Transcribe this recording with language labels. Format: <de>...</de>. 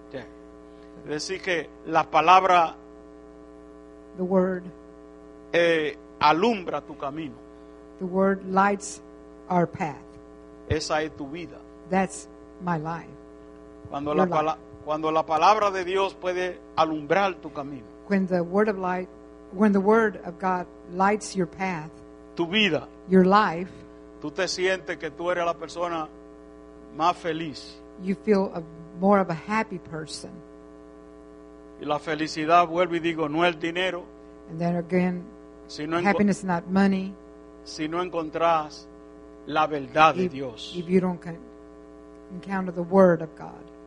<es>Yeah. Decir que la palabra,</es> <en>the word,</en> <es>alumbra tu camino.</es> <en>The word lights our path.</en> <es>Esa es tu vida.</es> <en>That's my life.</en> <es>Cuando la palabra, cuando la palabra de Dios puede alumbrar tu camino.</es> <en>When the word of light, when the word of God lights your path.</en> <es>Tu vida.</es> <en>Your life.</en> <es>Tú te sientes que tú eres la persona más feliz.</es> <en>You feel a, more of a happy person.</en> <es>Y la felicidad, vuelvo y digo, no es dinero.</es> <en>And then again, sino happiness is not money.</en> <es>Si no encontrás la verdad de Dios.</es> <en>If you don't encounter the word of God.</en>